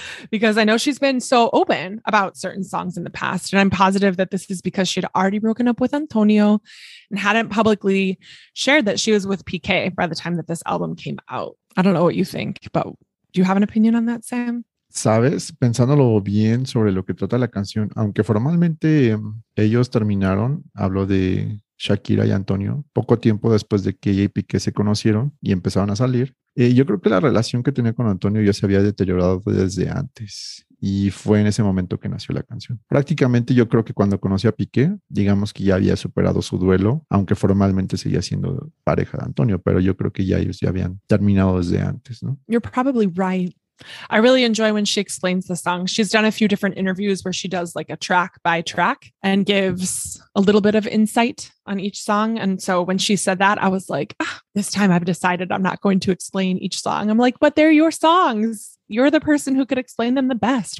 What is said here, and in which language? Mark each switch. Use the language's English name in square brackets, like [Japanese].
[English] Because I know she's been so open about certain songs in the past. And I'm positive that this is because she'd already broken up with Antonio and hadn't publicly shared that she was with PK by the time that this album came out. I don't know what you think, but do you have an opinion on that, Sam? [Spanish] Sabes, pensándolo bien sobre lo que trata la canción, aunque formalmente ellos terminaron, hablo de Shakira y Antonio, poco tiempo después de que ella y PK se conocieron y empezaron a salir. Yo creo que la relación que tenía con Antonio ya se había deteriorado desde antes y fue en ese momento que nació la canción. Prácticamente yo creo que cuando conocí a Piqué, digamos que ya había superado su duelo, aunque formalmente seguía siendo pareja de Antonio, pero yo creo que ya ellos ya habían terminado desde antes, ¿no? [English] You're probably right. I really enjoy when she explains the song. She's done a few different interviews where she does like a track by track and gives a little bit of insight on each song. And so when she said that, I was like, this time I've decided I'm not going to explain each song. I'm like, but they're your songs. You're the person who could explain them the best.